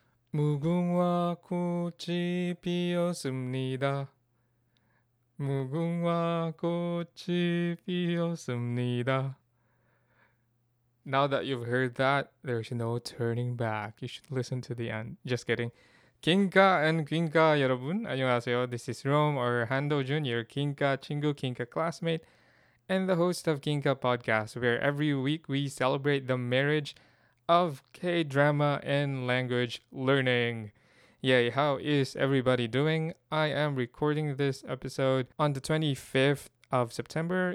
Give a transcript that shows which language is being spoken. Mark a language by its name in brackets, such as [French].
[Korean] 무궁화 꽃이 피었습니다. 무궁화 꽃이 피었습니다. [English] Now that you've heard that, there's no turning back. You should listen to the end. Just kidding. [Korean] 긴가 and 긴가 여러분, 안녕하세요. [English] This is Rome or Hando Jr., 긴가 친구, 긴가 classmate, and the host of 긴가 podcast, where every week we celebrate the marriage of K-drama and language learning. Yay, how is everybody doing? I am recording this episode on the 25th of September.